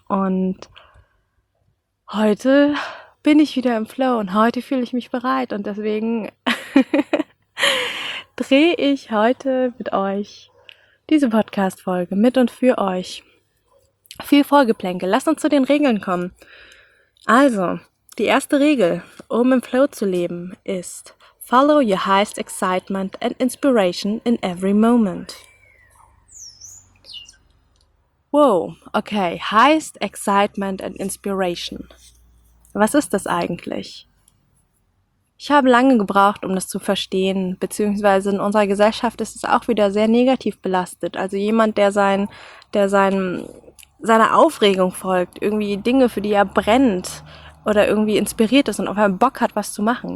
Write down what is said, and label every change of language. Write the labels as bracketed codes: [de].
[de] Und heute bin ich wieder im Flow und heute fühle ich mich bereit und deswegen drehe ich heute mit euch diese Podcast-Folge mit und für euch. Viel Vorgeplänkel, lasst uns zu den Regeln kommen. Also, die erste Regel, um im Flow zu leben, ist, [en] Follow your highest excitement and inspiration in every moment. Wow, okay, highest excitement and inspiration. [de] Was ist das eigentlich? Ich habe lange gebraucht, um das zu verstehen, beziehungsweise in unserer Gesellschaft ist es auch wieder sehr negativ belastet. Also jemand, der seiner Aufregung folgt, irgendwie Dinge, für die er brennt oder irgendwie inspiriert ist und auf einmal Bock hat, was zu machen.